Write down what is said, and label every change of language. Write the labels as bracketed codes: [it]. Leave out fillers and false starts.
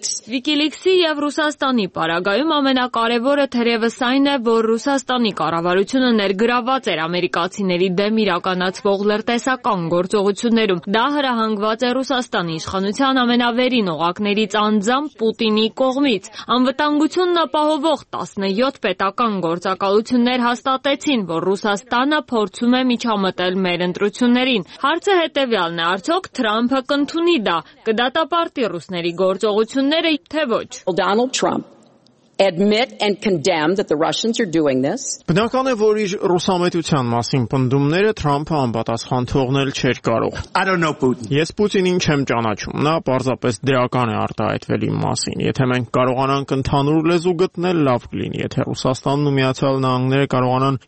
[hy] WikiLeaks-ի և Ռուսաստանի պարագայում ամենակարևորը թերևս այն է, որ Ռուսաստանի կառավարությունը ներգրաված էր ամերիկացիների դեմ իրականացվող լրտեսական գործողություններում։ Դա հրահանգված է Ռուսաստանի իշխանության ամենավերին օղակներից անձամբ Պուտինի կողմից։ Անվտանգությունն ապահովող 17 պետական գործակալություններ հաստատեցին, որ Ռուսաստանը փորձում է միջամտել մեր ընտրություններին։ Հարցը հետևյալն է. արդյոք Թրամփը կընդունի դա, կդատապարտի ռուսների գործողությունները, թե ոչ։ [en] Admit and condemn that the Russians are doing this. [hy] Բնական է, որ իր ռուսամետության մասին պնդումները Թրամփը անպատասխան թողնել չէր կարող։ [en] I don't know Putin. [hy] Ես Պուտինին չեմ ճանաչում, նա պարզապես դրական է արտահայտվել իմ մասին։ Եթե մենք կարողանանք ընդհանուր լեզու գտնել, լավ կլինի, եթե Ռուսաստանն ու Միացյալ Նահանգները կարողանան